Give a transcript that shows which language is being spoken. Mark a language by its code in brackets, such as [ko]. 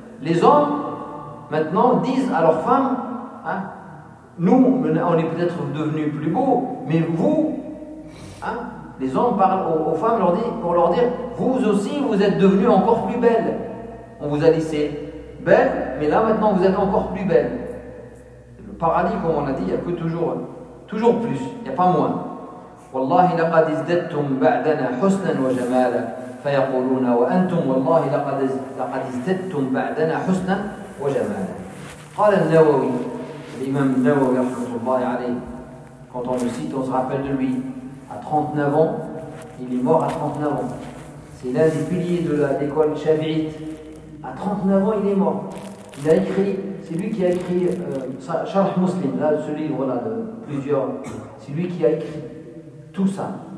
[fr] Les hommes, maintenant, disent à leurs femmes, hein, nous, on est peut-être devenus plus beaux, mais vous, hein, les hommes parlent aux femmes pour leur dire, vous aussi, vous êtes devenues encore plus belles. On vous a laissé belles, mais là, maintenant, vous êtes encore plus belles. Le paradis, comme on a dit, il n'y a que toujours plus, il n'y a pas moins. [ar] والله لقد ازددتم بعدنا حسنا وجمالا فيقولون وانتم والله لقد ازددتم بعدنا حسنا وجمالا. قال النووي, الامام النووي رحمه الله عليه, [fr] quand on le cite on se rappelle de lui, à 39 ans, il est mort à 39 ans, c'est l'un des piliers de l'école chaviite. À 39 ans il est mort, il a écrit, c'est lui qui a écrit Sharh Muslim, là ce livre là de plusieurs, c'est lui qui a écrit tout ça.